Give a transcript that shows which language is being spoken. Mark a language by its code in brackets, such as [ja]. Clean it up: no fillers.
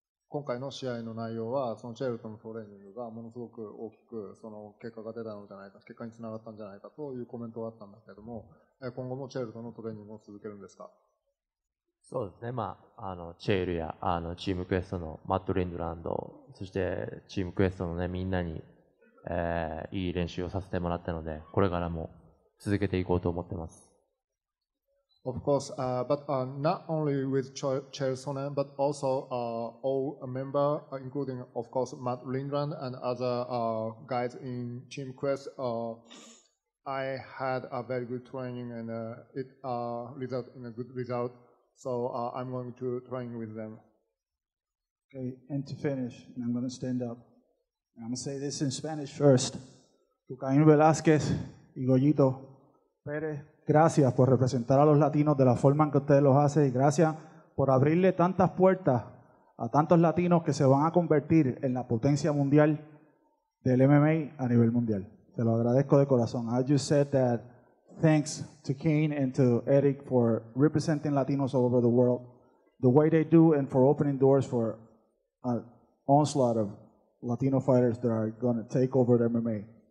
[ja] 今回の試合の内容は、 そのチェルとのトレーニングがものすごく大きく、 その結果が出たのではないか、結果につながったんじゃないか というコメントがあったんだけども、 今後もチェルとのトレーニングを続けるんですか? そうですね、まあ、チェルやチームクエストのマット・リンドランド、 そしてチームクエストのね、みんなに、 いい練習をさせてもらったので、これからも続けていこうと思ってます。 [en] Of course, but not only with Chael Sonnen, but also all members, including, of course, Matt Lindgren and other guys in Team Quest, I had a very good training and it resulted in a good result. So I'm going to train with them. Okay, and to finish, and I'm going to stand up. I'm going to say this in Spanish first. [es] Tucaín Velázquez y Goyito Pérez, gracias por representar a los latinos de la forma en que ustedes los hacen y gracias por abrirle tantas puertas a tantos latinos que se van a convertir en la potencia mundial del MMA a nivel mundial. Se lo agradezco de corazón. [en] I just said that thanks to Kane and to Eric for representing Latinos all over the world the way they do and for opening doors for an onslaught of Latino fighters that are going to take over the MMA.